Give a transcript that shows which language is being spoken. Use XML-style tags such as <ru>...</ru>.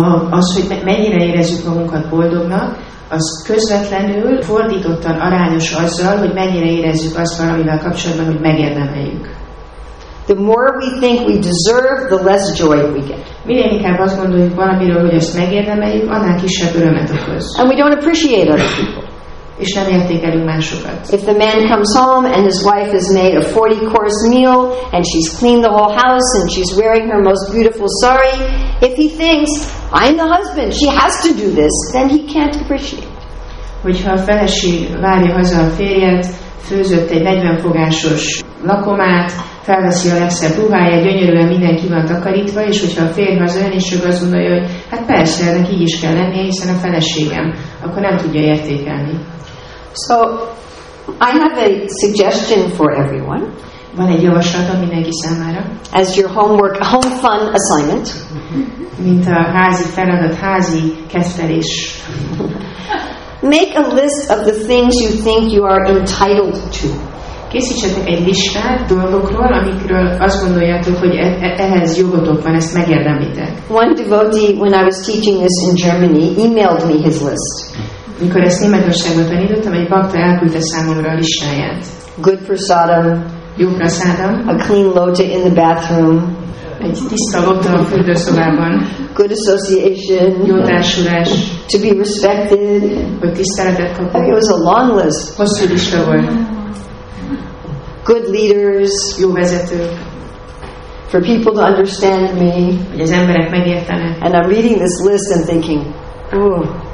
<hu>Az, hogy mennyire érezzük magunkat boldognak, az közvetlenül fordítottan arányos azzal, hogy mennyire érezzük azt valamivel kapcsolatban, hogy megérdemeljük.</hu> <en>The more we think we deserve, the less joy we get.</en> <hu>Minél inkább azt gondoljuk valamiről, hogy ezt megérdemeljük, annál kisebb örömet okoz.</hu> <en>And we don't appreciate other people.</en> <hu>És nem értékelünk másokat.</hu> <en>If the man comes home and his wife has made a 40-course meal and she's cleaned the whole house and she's wearing her most beautiful sari, if he thinks, I'm the husband, she has to do this, then he can't appreciate.</en> <hu>Hogyha a feleség várja haza a férjet, főzött egy 40 fogásos lakomát, felveszi a legszebb ruháját, gyönyörűen mindenki van takarítva, és hogyha a férj az ön, és azt gondolja, hogy hát persze, ennek így is kell lennie, hiszen a feleségem, akkor nem tudja értékelni.</hu> <en>So, I have a suggestion for everyone.</en> <hu>Van egy javaslatom mindenki számára.</hu> <en>As your homework, home fun assignment.</en> <hu>Mint a házi feladat, házi kezdelés.</hu> <en>Make a list of the things you think you are entitled to.</en> <hu>Készítsetek egy listát dolgokról, amikről azt gondoljátok, hogy ehhez jogotok van, ezt megérdemlitek.</hu> <en>One devotee, when I was teaching this in Germany, emailed me his list.</en> <hu>Mikor ezt Németországban tanítottam, egy bakta elküldte számomra a listáját.</hu> <en>Good prasadam.</en> <hu>Jó prasadam.</hu> <en>A clean loja in the bathroom.</en> <hu>Egy tiszta loja a fürdőszobában.</hu> <en>Good association.</en> <hu>Jó társulás.</hu> <en>To be respected.</en> <hu>Hogy tiszteletet kapok.</hu> <en>It was a long list.</en> <hu>Hosszú lista volt.</hu> <en>Good leaders.</en> <hu>Jó vezetők.</hu> <en>For people to understand me.</en> <hu>Hogy az emberek megértenek.</hu> <en>And I'm reading this list and thinking, oh,</en>